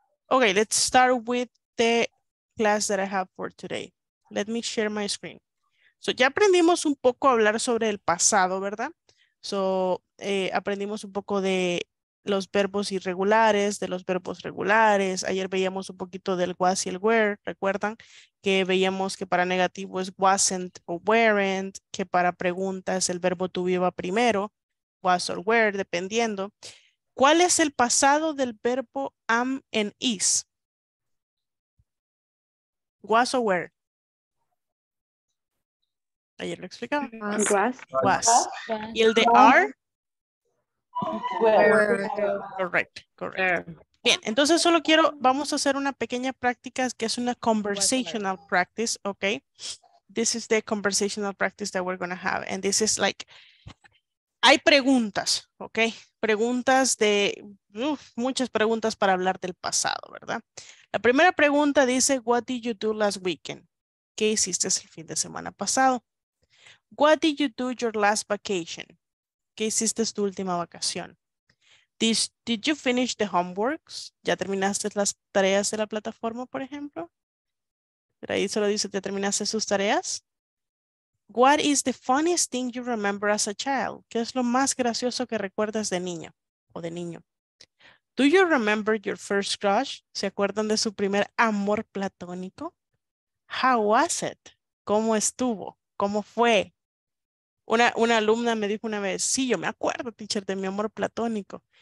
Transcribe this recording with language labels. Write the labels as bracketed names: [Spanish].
[English] Okay, let's start with the class that I have for today. Let me share my screen. [Spanish] So ya aprendimos un poco a hablar sobre el pasado, ¿verdad? So aprendimos un poco de los verbos irregulares, de los verbos regulares. Ayer veíamos un poquito del was y el were. ¿Recuerdan? Que veíamos que para negativo es wasn't o weren't, que para preguntas el verbo to be va primero, [English] was or were, [Spanish] dependiendo. ¿Cuál es el pasado del verbo am and is? [English] Was or were? [Spanish] Ayer lo explicaba. [English] Was. [Spanish] ¿Y el de are? [English] Where. Correct, correct. [Spanish] Bien, entonces solo quiero, vamos a hacer una pequeña práctica que es una conversational practice, ok. [English] This is the conversational practice that we're going to have. And this is like, [Spanish] hay preguntas, [English] ok. [Spanish] Preguntas de, muchas preguntas para hablar del pasado, ¿verdad? La primera pregunta dice, [English] what did you do last weekend? [Spanish] ¿Qué hiciste el fin de semana pasado? [English] What did you do your last vacation? [Spanish] ¿Qué hiciste tu última vacación? [English] Did you finish the homeworks? [Spanish] ¿Ya terminaste las tareas de la plataforma, por ejemplo? Pero ahí solo dice, ¿te terminaste sus tareas? [English] What is the funniest thing you remember as a child? [Spanish] ¿Qué es lo más gracioso que recuerdas de niña o de niño? [English] Do you remember your first crush? [Spanish] ¿Se acuerdan de su primer amor platónico? [English] How was it? [Spanish] ¿Cómo estuvo? ¿Cómo fue? Una alumna me dijo una vez, sí, yo me acuerdo, teacher, de mi amor platónico.